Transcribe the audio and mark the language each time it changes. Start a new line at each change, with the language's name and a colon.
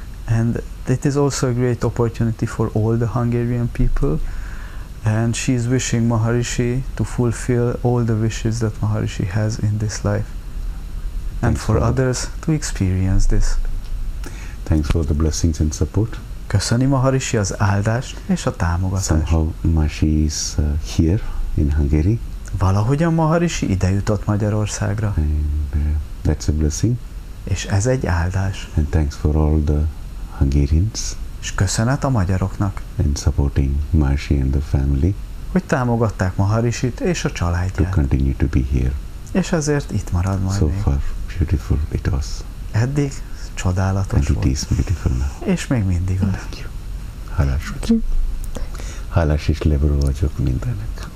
English: And it is also a great opportunity for all the Hungarian people. And she is wishing Maharishi to fulfill all the wishes that Maharishi has in this life. And for others to experience this. Thanks for the blessings and support.
Hungarian: Köszöni Maharishi az áldást és a támogatást.
English: Somehow Maharishi is here in Hungary.
Hungarian: Valahogyan Maharishi ide jutott Magyarországra.
English: And, that's a blessing.
Hungarian: És ez egy áldás.
English: And thanks for all the Hungarians.
Hungarian: És köszönet a magyaroknak.
English: And supporting Maharishi and the family.
Hungarian: hogy támogatták Maharishit és a családját.
English: To continue to be here.
Hungarian: És ezért itt marad majd
English: so
Hungarian: még.
English: So far beautiful it was.
Hungarian: Eddig csodálatos volt.
English: And it is beautiful now.
Hungarian: És még mindig van.
English: Thank you.
Hungarian: Hálás vagyok. Hálás és leború vagyok mindennek.